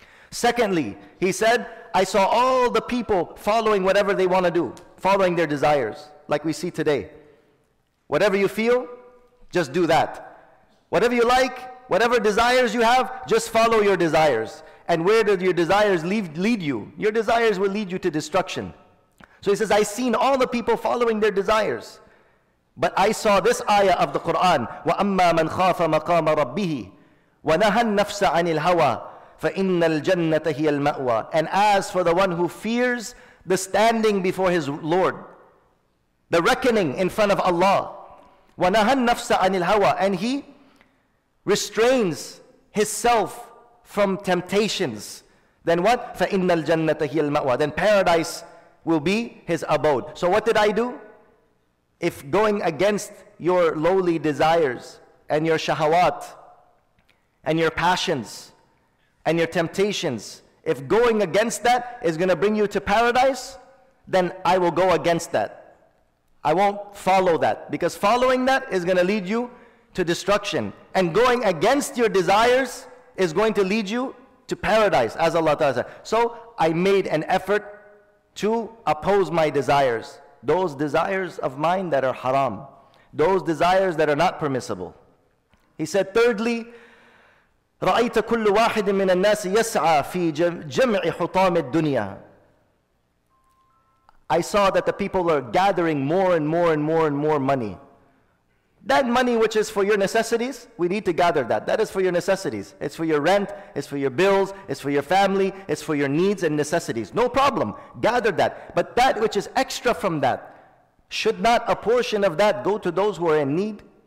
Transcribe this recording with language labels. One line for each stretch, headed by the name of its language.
English: Secondly, he said, I saw all the people following whatever they want to do, following their desires, like we see today. Whatever you feel, just do that. Whatever you like, whatever desires you have, just follow your desires. And where did your desires lead you? Your desires will lead you to destruction. So he says, I seen all the people following their desires. But I saw this ayah of the Quran,
Arabic: وَأَمَّا مَنْ خَافَ مَقَامَ رَبِّهِ وَنَهَى النَّفْسَ عَنِ الْهَوَى فَإِنَّ الْجَنَّةَ هِيَ الْمَأْوَى.
English: And as for the one who fears the standing before his Lord, the reckoning in front of Allah,
Arabic: وَنَهَى النَّفْسَ عَنِ الْهَوَى,
English: and he restrains his self from temptations, then what?
Arabic: فَإِنَّ الْجَنَّةَ هِيَ الْمَأْوَى.
English: Then paradise will be his abode. So what did I do? If going against your lowly desires and your shahawat and your passions and your temptations, if going against that is going to bring you to paradise, then I will go against that. I won't follow that, because following that is going to lead you to destruction. And going against your desires is going to lead you to paradise, as Allah Ta'ala said. So I made an effort to oppose my desires. Those desires of mine that are haram. Those desires that are not permissible. He said, thirdly,
Arabic: رَأَيْتَ كُلُّ وَاحِدٍ مِّنَ النَّاسِ يَسْعَى فِي جَمْعِ حُطَامِ الدُّنْيَا.
English: I saw that the people are gathering more and more and more and more money. That money which is for your necessities, we need to gather that. That is for your necessities. It's for your rent, it's for your bills, it's for your family, it's for your needs and necessities. No problem, gather that. But that which is extra from that, should not a portion of that go to those who are in need?